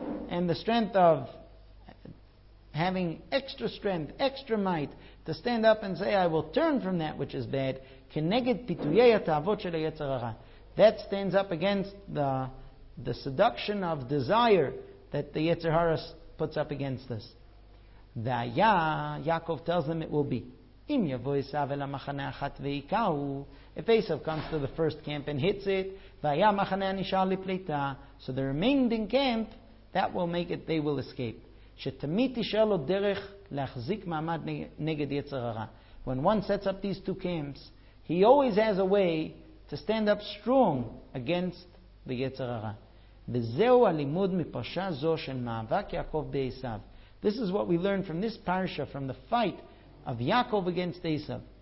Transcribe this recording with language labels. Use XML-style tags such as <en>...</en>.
<en>And the strength of having extra strength, extra might to stand up and say, I will turn from that which is bad.</en> <he>כנגד פיתויי התאוות של היצר הרע.</he> <en>That stands up against the seduction of desire that the Yetzer Hara puts up against us.</en> <he>והיה,</he> <en>Yaakov tells them it will be.</en> <he>אם יבוא עשיו אל המחנה אחת ויקהו,</he> <en>if Esav comes to the first camp and hits it,</en> <he>והיה המחנה הנשאר לפליטה,</he> <en>so the remaining camp, that will make it, they will escape.</en> <he>שתמיד תשאר לו דרך להחזיק מעמד נגד יצר הרע.</he> <en>When one sets up these two camps, he always has a way to stand up strong against the Yetzer Hara.</en> <he>וזהו הלימוד מפרשה זו של מאבק יעקב בעשיו.</he> <en>This is what we learn from this parasha, from the fight of Yaakov against Esav.</en>